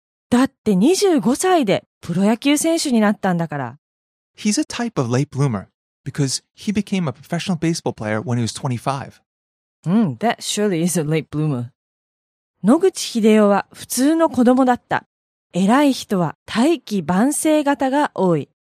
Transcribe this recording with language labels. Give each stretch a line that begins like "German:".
Japanese: だって25歳でプロ野球選手になったんだから。
English: He's a type of late bloomer because he became a professional baseball player when he was 25. That surely is a late bloomer.
Japanese: 野口英世は普通の子供だった。偉い人は大器晩成型が多い。